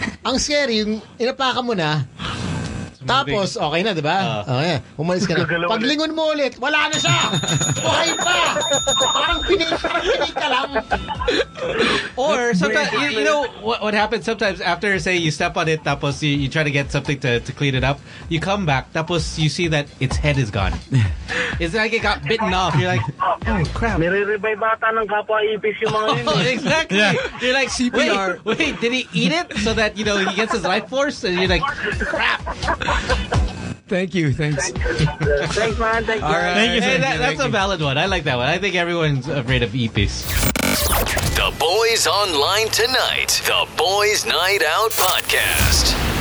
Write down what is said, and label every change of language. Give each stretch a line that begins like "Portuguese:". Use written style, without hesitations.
Filipino: Ang scary, yung inapakan mo na, tapos, okay na, di ba? Okay. Umalis ka na. Paglingon mo ulit, wala na siya! Buhay pa! Parang pinig ka lang.
English: Or, sometimes, you know, what happens sometimes after, say, you step on it,
Filipino: tapos
English: you try to get something to clean it up, you come back, tapos you see that its head is gone. It's like it got bitten off. You're like, oh, crap.
Filipino: Nire-revive bata ng kapwa ipis yung mga yun.
English: Exactly. Yeah. You're like, CPR. Wait, did he eat it? So that, you know, he gets his life force? And you're like, crap. Thank you. Thanks. Thanks, man. Thank you. Right. Thank you. Hey, that's a valid one. I like that one. I think everyone's afraid of ipis. The Boys Online Tonight. The Boys Night Out Podcast.